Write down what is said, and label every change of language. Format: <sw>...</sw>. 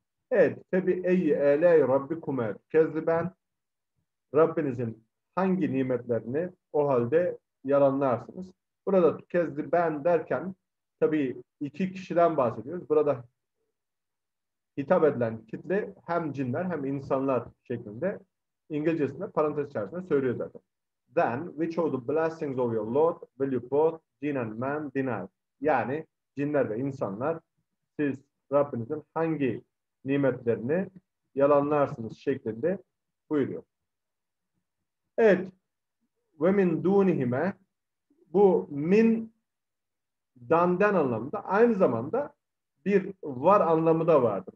<tr>Evet.</tr> <ar>Tabi ey eley rabbikume kezliben,</ar> <tr>Rabbinizin hangi nimetlerini o halde yalanlarsınız? Burada kezliben derken tabi iki kişiden bahsediyoruz. Burada hitap edilen kitle hem cinler hem insanlar şeklinde İngilizcesinde parantez içerisinde söylüyor zaten.</tr> <en>Then which of the blessings of your Lord will you both jinn and man deny?</en> <tr>Yani cinler ve insanlar siz Rabbinizin hangi nimetlerini yalanlarsınız şeklinde buyuruyor. Evet.</tr> <ar>Ve min dunihime,</ar> <tr>bu min danden anlamında aynı zamanda bir var anlamı da vardır.</tr>